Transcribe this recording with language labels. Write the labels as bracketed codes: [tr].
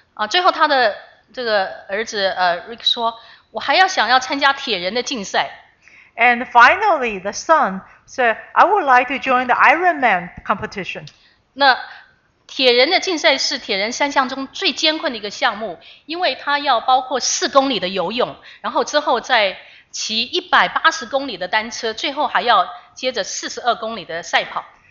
[zh] 最后他的这个儿子Rick 说，我还要想要参加铁人的竞赛。 [en] And finally, the son said, "I would like to join the Ironman competition." [zh] 那铁人的竞赛是铁人三项中最艰困的一个项目，因为它要包括四公里的游泳，然后之后再骑180公里的单车，最后还要接着42公里的赛跑。